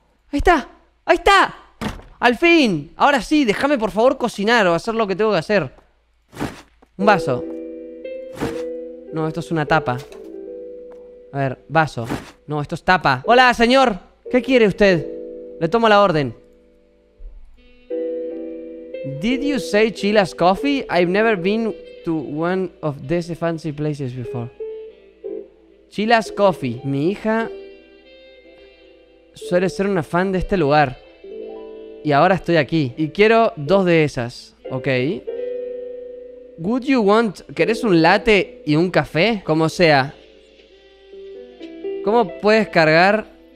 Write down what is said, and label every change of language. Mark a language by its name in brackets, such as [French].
[Spanish] ¡Ahí está! ¡Ahí está! ¡Al fin! Ahora sí, déjame por favor cocinar o hacer lo que tengo que hacer. Un vaso. No, esto es una tapa. A ver, vaso. No, esto es tapa. ¡Hola, señor! ¿Qué quiere usted? Le tomo la orden. [English] ¿Did you say Chila's Coffee? I've never been to one of these fancy places before. Chila's Coffee. [Spanish] Mi hija suele ser una fan de este lugar. Y ahora estoy aquí. Y quiero dos de esas. Ok. [English] Would you want... [Spanish] ¿Querés un latte y un café? Como sea. ¿Cómo puedes cargar...